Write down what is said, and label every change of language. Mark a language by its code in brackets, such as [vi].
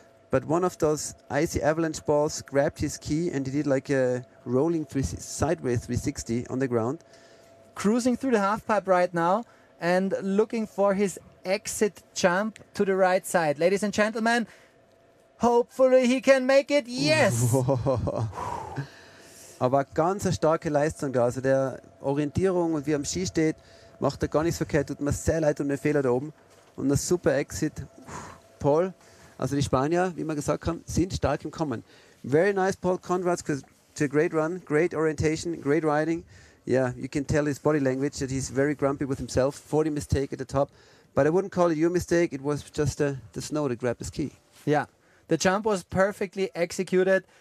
[en] But one of those icy avalanche balls grabbed his ski and he did like a rolling sideways 360 on the ground. Cruising through the halfpipe right now and looking for his exit jump to the right side. Ladies and gentlemen, hopefully he can make it. Yes! [de] Aber ganz eine starke Leistung da. Also der Orientierung und wie am Ski steht, macht er gar nichts verkehrt, tut mir sehr leid um den Fehler da oben. Und ein super Exit. Paul, also die Spanier, wie wir gesagt haben, sind stark im Kommen. [en] Very nice, Paul Conrad, because it's a great run, great orientation, great riding. Yeah, you can tell his body language that he's very grumpy with himself. 40 mistake at the top. But I wouldn't call it your mistake, it was just the snow that grabbed his ski. Yeah, the jump was perfectly executed.